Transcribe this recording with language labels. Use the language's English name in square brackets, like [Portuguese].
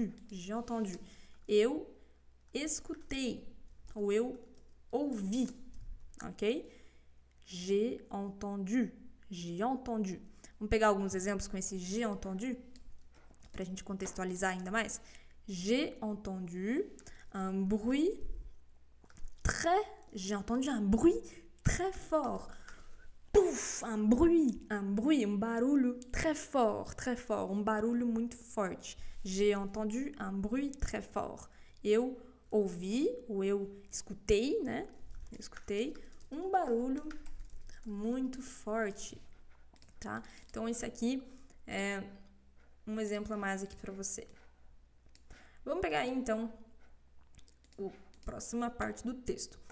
[French] J'ai entendu, [Portuguese] eu escutei ou eu ouvi, ok? [French] J'ai entendu. [Portuguese] Vamos pegar alguns exemplos com esse [French] j'ai entendu [Portuguese] para a gente contextualizar ainda mais. [French] J'ai entendu un bruit très, j'ai entendu un bruit très fort. [Portuguese] Pouf, um barulho [French] très fort, [Portuguese] um barulho muito forte. [French] J'ai entendu un bruit très fort. [Portuguese] Eu ouvi ou eu escutei, né? Eu escutei um barulho muito forte, tá? Então esse aqui é um exemplo a mais aqui para você. Vamos pegar aí, então a próxima parte do texto.